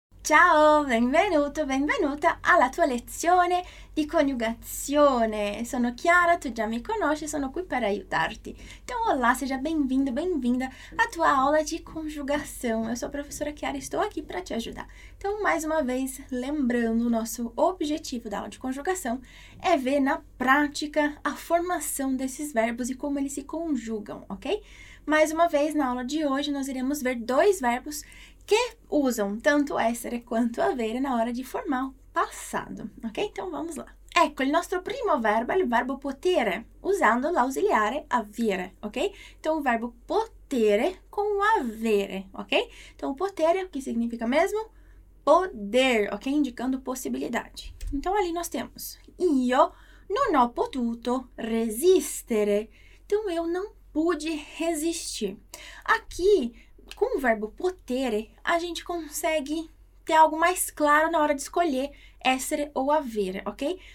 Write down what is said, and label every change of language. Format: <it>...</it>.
<it>Ciao, benvenuto, benvenuta alla tua lezione di coniugazione. Sono Chiara, tu già mi conosci, sono qui per aiutarti.</it> <pt>Então, olá, seja bem-vindo, bem-vinda à tua aula de conjugação. Eu sou a professora Chiara e estou aqui para te ajudar. Então, mais uma vez, lembrando, o nosso objetivo da aula de conjugação é ver na prática a formação desses verbos e como eles se conjugam, ok? Mais uma vez, na aula de hoje, nós iremos ver dois verbos que usam tanto essere quanto avere na hora de formar o passado, ok? Então vamos lá.</pt> <it>Ecco, il nostro primo verbo è il verbo potere, usando l'ausiliare avere, ok?</it> <pt>Então o verbo potere com avere, ok? Então potere, o che significa mesmo? Poder, ok? Indicando possibilidade. Então ali nós temos:</pt> <it>io non ho potuto resistere.</it> <pt>Então eu não pude resistir. Aqui com o verbo potere, a gente consegue ter algo mais claro na hora de escolher essere ou avere, ok?</pt>